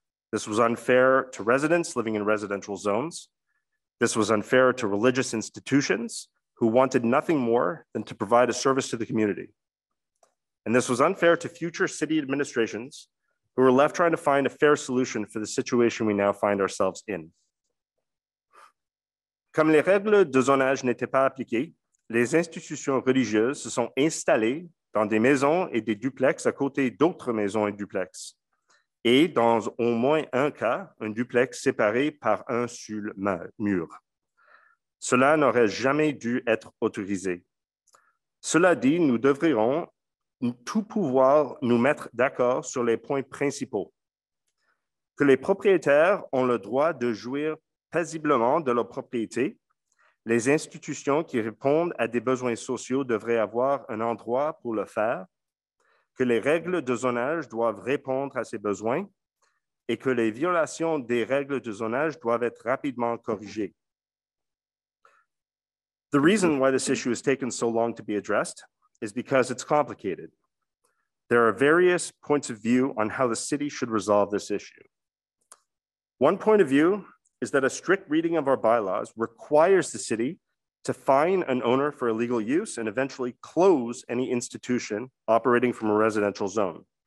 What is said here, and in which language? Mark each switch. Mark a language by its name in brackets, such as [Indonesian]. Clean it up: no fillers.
[English] This was unfair to residents living in residential zones. This was unfair to religious institutions who wanted nothing more than to provide a service to the community. And this was unfair to future city administrations who were left trying to find a fair solution for the situation we now find ourselves in. [French] Comme les règles de zonage n'étaient pas appliquées, les institutions religieuses se sont installées dans des maisons et des duplex à côté d'autres maisons et duplex, et dans au moins un cas, un duplex séparé par un seul mur. Cela n'aurait jamais dû être autorisé. Cela dit, nous devrions tout pouvoir nous mettre d'accord sur les points principaux. Que les propriétaires ont le droit de jouir paisiblement de leur propriété, les institutions qui répondent à des besoins sociaux devraient avoir un endroit pour le faire, que les règles de zonage doivent répondre à ces besoins et que les violations des règles de zonage doivent être rapidement corrigées. [English] The reason why this issue has taken so long to be addressed is because it's complicated. There are various points of view on how the city should resolve this issue. One point of view is that a strict reading of our bylaws requires the city to fine an owner for illegal use and eventually close any institution operating from a residential zone.